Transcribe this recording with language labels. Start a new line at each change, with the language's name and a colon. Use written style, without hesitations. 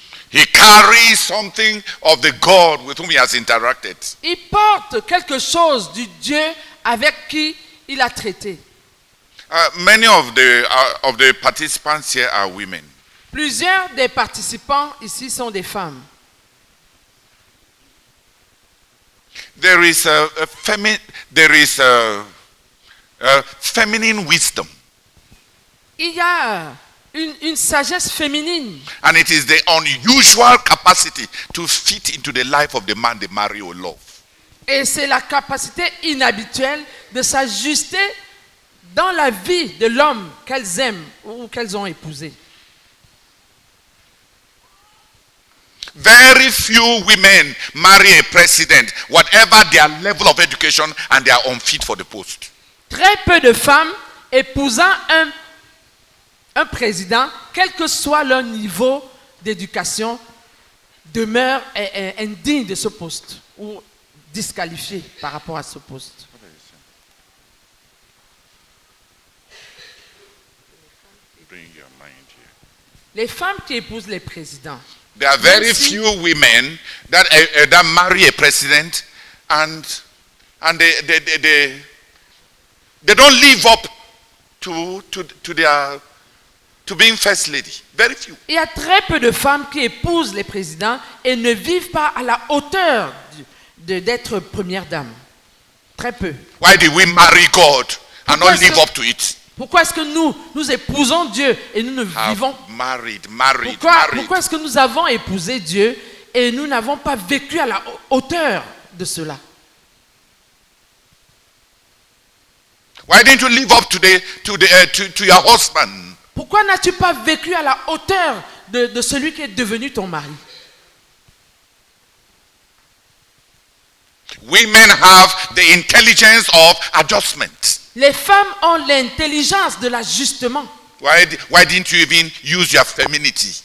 English: He carries something of the God with whom he has interacted.
French: Il porte quelque chose du Dieu avec qui il a traité.
English: Many of the participants here are women.
French: Plusieurs des participants ici sont des femmes.
English: There is a feminine wisdom.
French: Il y a une sagesse féminine.
English: And it is the unusual capacity to fit into the life of the man they marry or love.
French: Et c'est la capacité inhabituelle de s'ajuster dans la vie de l'homme qu'elles aiment ou qu'elles ont épousé.
English: Very few women marry a president, whatever their level of education, and they are unfit for the post.
French: Très peu de femmes épousant un président, quel que soit leur niveau d'éducation, demeurent indignes de ce poste ou disqualifiées par rapport à ce poste.
English: Bring your mind here.
French: Les femmes qui épousent les présidents.
English: There are very few women that that marry a president, and they don't live up to their to being first lady. Very few.
French: Il y a très peu de femmes qui épousent les présidents et ne vivent pas à la hauteur d'être première dame. Très peu.
English: Why do we marry God and not live up to it?
French: Pourquoi est-ce que nous épousons Dieu et nous ne vivons pas?
English: Married.
French: Pourquoi est-ce que nous avons épousé Dieu et nous n'avons pas vécu à la hauteur de cela?
English: Why didn't you live up to your husband?
French: Pourquoi n'as-tu pas vécu à la hauteur de celui qui est devenu ton mari?
English: Women have the intelligence of adjustment.
French: Les femmes ont l'intelligence de l'ajustement.
English: Why didn't you even use your femininity?